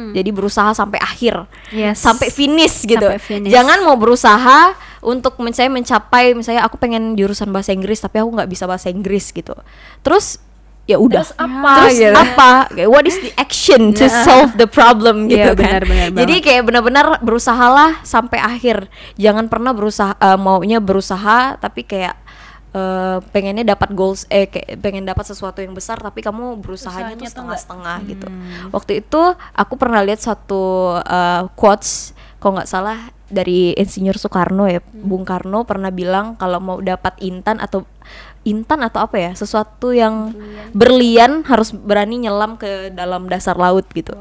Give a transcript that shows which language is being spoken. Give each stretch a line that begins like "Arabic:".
Indonesian: Jadi berusaha sampai akhir, sampai finish gitu. Sampai finish. Jangan mau berusaha untuk misalnya mencapai, misalnya aku pengen jurusan bahasa Inggris tapi aku nggak bisa bahasa Inggris gitu. Terus ya udah. Terus apa?
English: What is the action to solve the problem gitu kan?
Indonesian: Benar-benar. Jadi kayak benar-benar berusahalah sampai akhir. Jangan pernah berusaha tapi kayak pengennya dapat goals pengen dapat sesuatu yang besar tapi kamu berusahanya tuh setengah-setengah gitu. Waktu itu aku pernah lihat satu quotes kalau nggak salah dari Insinyur Soekarno ya, Bung Karno pernah bilang kalau mau dapat intan atau apa ya, sesuatu yang berlian harus berani nyelam ke dalam dasar laut gitu.